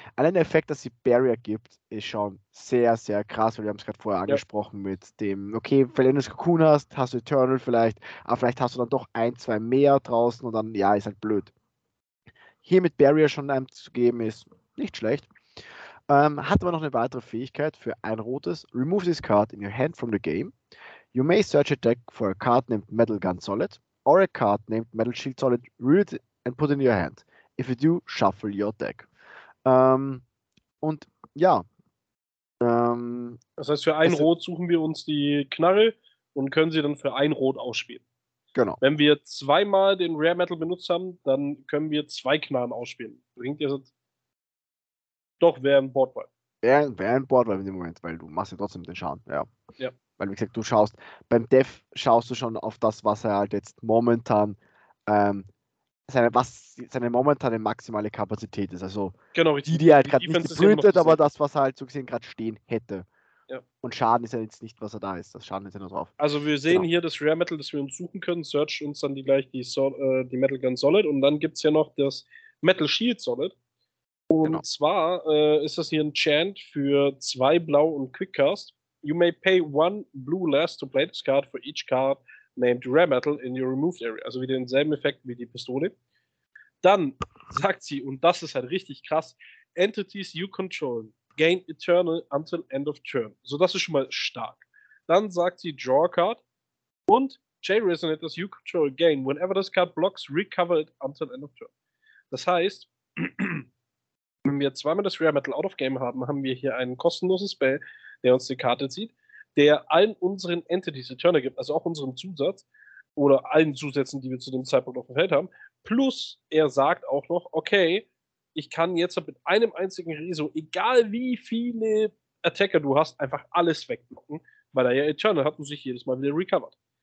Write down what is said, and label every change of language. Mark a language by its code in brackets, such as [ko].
[de] Allein der Effekt, dass sie Barrier gibt, ist schon sehr, sehr krass, weil wir haben es gerade vorher angesprochen mit dem, okay, wenn du das Cocoon hast, hast du Eternal vielleicht, aber vielleicht hast du dann doch ein, zwei mehr draußen und dann, ja, ist halt blöd. Hier mit Barrier schon einem zu geben, ist nicht schlecht. Hat aber noch eine weitere Fähigkeit für ein rotes. [en] Remove this card in your hand from the game. You may search a deck for a card named Metal Gun Solid or a card named Metal Shield Solid. Root it and put it in your hand. If you do, shuffle your deck. [de] Und ja. Das heißt, für ein Rot suchen wir uns die Knarre und können sie dann für ein Rot ausspielen. Genau. Wenn wir zweimal den Rare Metal benutzt haben, dann können wir zwei Knarren ausspielen. Bringt ihr das? Doch, wäre ein Boardwipe. Wäre ein Boardwipe in dem Moment, weil du machst ja trotzdem den Schaden. Ja. Ja. Weil, wie gesagt, du schaust, beim Dev schaust du schon auf das, was er halt jetzt momentan, seine momentane maximale Kapazität ist. Also, genau, die halt gerade nicht gebrütet, aber das, was er halt so gesehen gerade stehen hätte. Ja. Und Schaden ist ja jetzt nicht, was er da ist. Das Schaden ist ja nur drauf. Also, wir sehen hier das Rare Metal, das wir uns suchen können. Search uns dann die Metal Gun Solid. Und dann gibt es ja noch das Metal Shield Solid. Und zwar ist das hier ein Chant für zwei Blau und Quickcast. [en] You may pay one blue less to play this card for each card named Rare Metal in your removed area. [de] Also wieder denselben Effekt wie die Pistole. Dann sagt sie, und das ist halt richtig krass, [en] Entities you control gain eternal until end of turn. [de] So, das ist schon mal stark. Dann sagt sie, [en] draw a card [de] und [en] J-Resonators you control gain. Whenever this card blocks, recover it until end of turn. [de] Das heißt, wenn wir zweimal das Rare Metal out of game haben, haben wir hier einen kostenlosen Spell, der uns die Karte zieht, der allen unseren Entities Eternal gibt, also auch unserem Zusatz oder allen Zusätzen, die wir zu dem Zeitpunkt auf dem Feld haben, plus er sagt auch noch, okay, ich kann jetzt mit einem einzigen Riso, egal wie viele Attacker du hast, einfach alles wegmachen, weil er ja Eternal hat und sich jedes Mal wieder recovered.